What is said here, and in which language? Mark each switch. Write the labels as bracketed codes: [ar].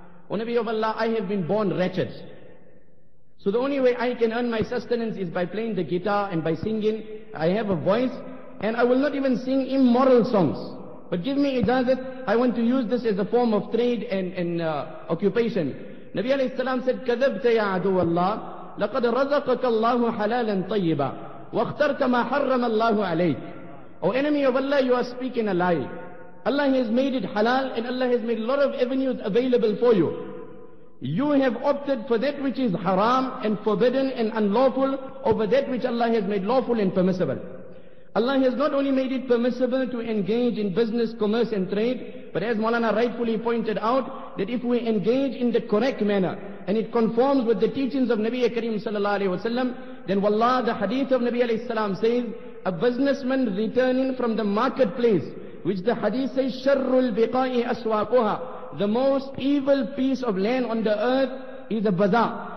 [en] O Nabi of Allah, I have been born wretched. So the only way I can earn my sustenance is by playing the guitar and by singing. I have a voice and I will not even sing immoral songs. But give me ijazat, I want to use this as a form of trade and occupation. Nabi alayhi salam said, [ar] كَذَبْتَ يَا عَدُوَ اللَّهِ لَقَدْ رَزَقَكَ اللَّهُ حَلَالًا طَيِّبًا وَاخْتَرْتَ مَا حَرَّمَ اللَّهُ عَلَيْكَ. [en] O enemy of Allah, you are speaking a lie. Allah has made it halal and Allah has made a lot of avenues available for you. You have opted for that which is haram and forbidden and unlawful over that which Allah has made lawful and permissible. Allah has not only made it permissible to engage in business, commerce and trade, but as Maulana rightfully pointed out, that if we engage in the correct manner and it conforms with the teachings of Nabi Kareem Sallallahu Alaihi Wasallam, then wallah, the hadith of Nabi Alayhi Salam says, a businessman returning from the marketplace, which the hadith says, [ar] شَرُّ الْبِقَاءِ أَسْوَاقُهَا, [en] the most evil piece of land on the earth is a bazaar.